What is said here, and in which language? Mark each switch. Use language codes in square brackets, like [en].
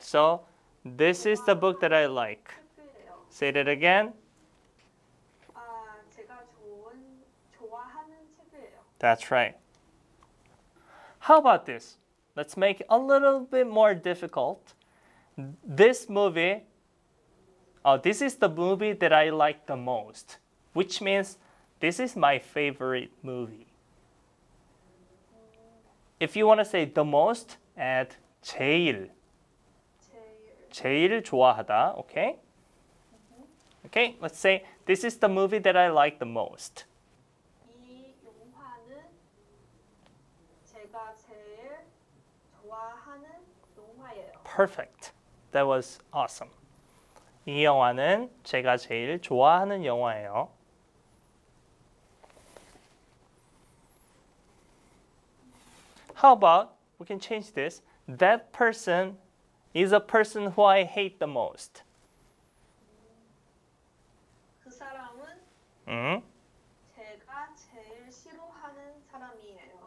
[en] So, this 좋아하다. is the book that I like. [ko] 특별해요. [en] Say that again. [ko] 제가 좋아하는 책이에요. [en] That's right. How about this? Let's make it a little bit more difficult. This movie, this is the movie that I like the most, which means this is my favorite movie. If you want to say the most, add 제일. [ko] 제일 좋아하다, okay? [en] Okay, let's say this is the movie that I like the most. [ko] 이 영화는 제가 제일 좋아하는 영화예요. [en] Perfect. That was awesome. [ko] 이 영화는 제가 제일 좋아하는 영화예요. [en] How about we can change this? That person is a person who I hate the most. [ko] 제가 제일 싫어하는 사람이에요.